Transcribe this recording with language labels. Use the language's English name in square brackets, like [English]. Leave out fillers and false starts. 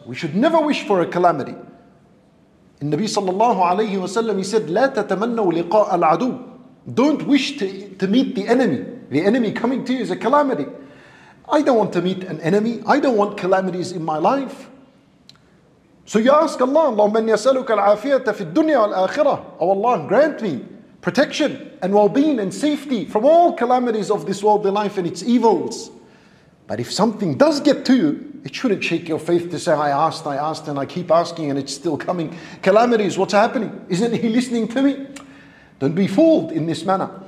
[English] We should never wish for a calamity. In Nabi sallallahu alayhi wa sallam, he said, [Arabic] لا تتمنوا لقاء العدو. [English] Don't wish to meet the enemy. The enemy coming to you is a calamity. I don't want to meet an enemy. I don't want calamities in my life. So you ask Allah, [Arabic] اللَّهُمَّنْ يَسَلُكَ الْعَافِيَةَ فِي الدُّنْيَا وَالْآخِرَةِ. [English] Oh Allah, grant me protection and well-being and safety from all calamities of this worldly life and its evils. But if something does get to you, it shouldn't shake your faith to say, I asked, and I keep asking, and it's still coming. Calamities, what's happening? Isn't he listening to me? Don't be fooled in this manner.